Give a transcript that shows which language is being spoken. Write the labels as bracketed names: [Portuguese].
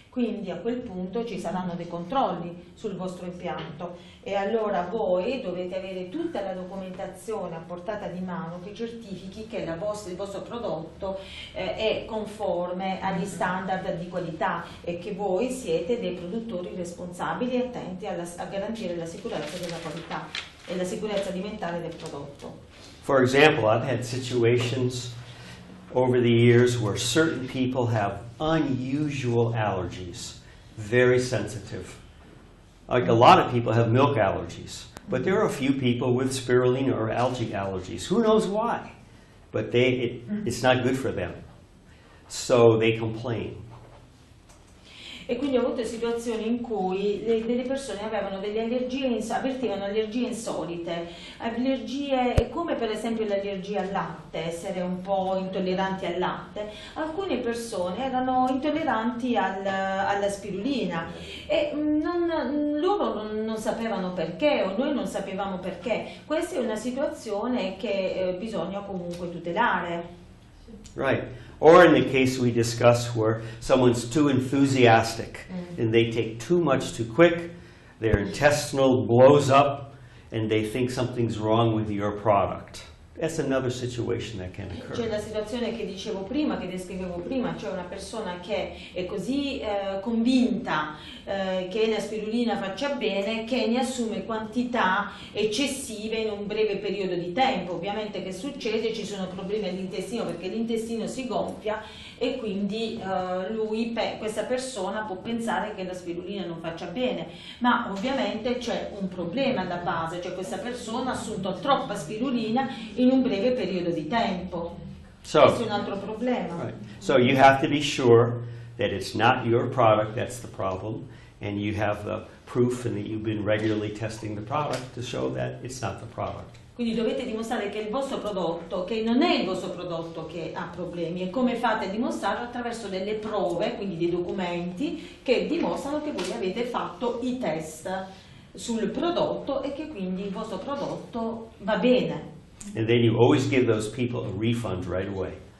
[Italian] Quindi a quel punto ci saranno dei controlli sul vostro impianto e allora voi dovete avere tutta la documentazione a portata di mano che certifichi che il vostro prodotto è conforme agli standard di qualità e che voi siete dei produttori responsabili e attenti a garantire la sicurezza della qualità e la sicurezza alimentare del prodotto. [English] For example, I've had situations over the years where certain people have unusual allergies, very sensitive. Like a lot of people have milk allergies, but there are a few people with spirulina or algae allergies. Who knows why? But it's not good for them. So they complain. [Italian] E quindi ho avuto situazioni in cui delle persone avevano delle allergie, avvertivano allergie insolite, allergie come per esempio l'allergia al latte, essere un po' intolleranti al latte. Alcune persone erano intolleranti alla spirulina e loro non sapevano perché o noi non sapevamo perché. Questa è una situazione che bisogna comunque tutelare. [English] Right. Or in the case we discuss where someone's too enthusiastic and they take too much too quick, their intestinal blows up and they think something's wrong with your product. That's another situation that can occur. [Italian] C'è la situazione che dicevo prima, che descrivevo prima, cioè una persona che è così convinta che la spirulina faccia bene che ne assume quantità eccessive in un breve periodo di tempo. Ovviamente che succede? Ci sono problemi all'intestino perché l'intestino si gonfia e quindi questa persona può pensare che la spirulina non faccia bene. Ma ovviamente c'è un problema alla base, cioè questa persona ha assunto troppa spirulina in un breve periodo di tempo. [English] So, [Italian] questo è un altro problema. [English] Right. So you have to be sure that it's not your product that's the problem, and you have the proof and that you've been regularly testing the product to show that it's not the product. [Italian] Quindi dovete dimostrare che il vostro prodotto, che non è il vostro prodotto che ha problemi. E come fate a dimostrarlo? Attraverso delle prove, quindi dei documenti, che dimostrano che voi avete fatto i test sul prodotto e che quindi il vostro prodotto va bene. [English] And then you always give those people a refund right away.